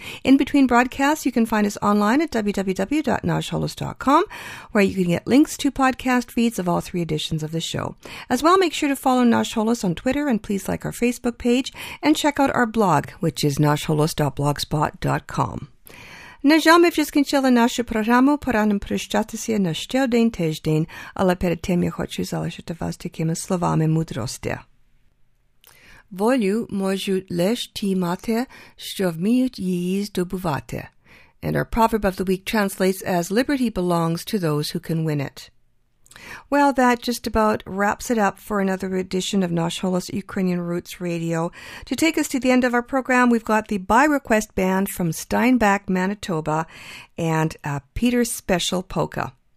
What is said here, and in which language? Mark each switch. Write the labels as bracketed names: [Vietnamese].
[English] In between broadcasts, you can find us online at www.nashholos.com, where you can get links to podcast feeds of all three editions of the show. As well, make sure to follow Nash Holos on Twitter, and please like our Facebook page, and check out our blog, which is nashholos.blogspot.com. [Ukrainian] На жаль, ми вже скінчили нашу програму. Пора нам прощатися на ще один тиждень, але перед тим я хочу залишити вас такими словами мудрості. Волю можу лиш ті мати, що вміють її здобувати. [English] And our proverb of the week translates as, liberty belongs to those who can win it. Well, that just about wraps it up for another edition of Nash Holos Ukrainian Roots Radio. To take us to the end of our program, we've got the By Request Band from Steinbach, Manitoba, and a Peter's Special Polka.